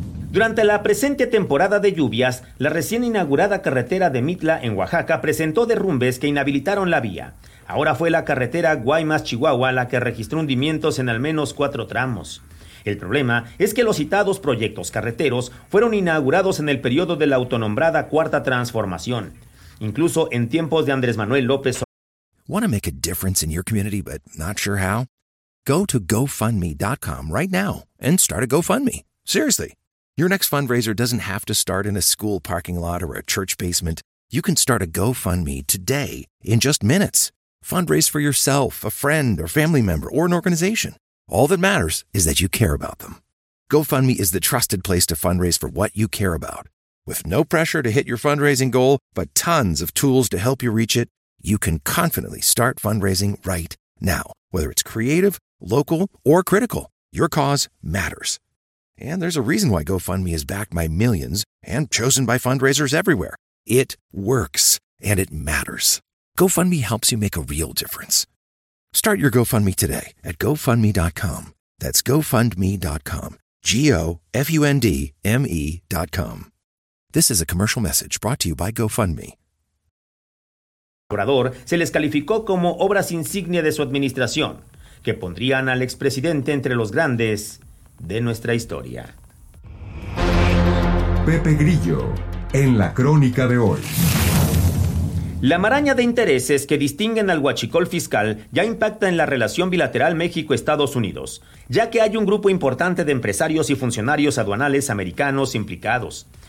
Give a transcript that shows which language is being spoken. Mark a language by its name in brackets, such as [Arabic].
[Spanish] Durante la presente temporada de lluvias, la recién inaugurada carretera de Mitla en Oaxaca presentó derrumbes que inhabilitaron la vía. Ahora fue la carretera Guaymas-Chihuahua la que registró hundimientos en al menos 4 tramos. El problema es que los citados proyectos carreteros fueron inaugurados en el periodo de la autonombrada Cuarta Transformación, incluso en tiempos de Andrés Manuel López Obrador. [English] Want to make a difference in your community but not sure how? Go to GoFundMe.com right now and start a GoFundMe. Seriously. Your next fundraiser doesn't have to start in a school parking lot or a church basement. You can start a GoFundMe today in just minutes. Fundraise for yourself, a friend, or family member, or an organization. All that matters is that you care about them. GoFundMe is the trusted place to fundraise for what you care about. With no pressure to hit your fundraising goal, but tons of tools to help you reach it, you can confidently start fundraising right now. Whether it's creative, local, or critical, your cause matters. And there's a reason why GoFundMe is backed by millions and chosen by fundraisers everywhere. It works, and it matters. GoFundMe helps you make a real difference. Start your GoFundMe today at GoFundMe.com. That's GoFundMe.com. GoFundMe.com. This is a commercial message brought to you by GoFundMe. [Spanish] Obrador se les calificó como obras insignia de su administración, que pondrían al expresidente entre los grandes de nuestra historia. Pepe Grillo, en la crónica de hoy. La maraña de intereses que distinguen al huachicol fiscal ya impacta en la relación bilateral México-Estados Unidos, ya que hay un grupo importante de empresarios y funcionarios aduanales americanos implicados.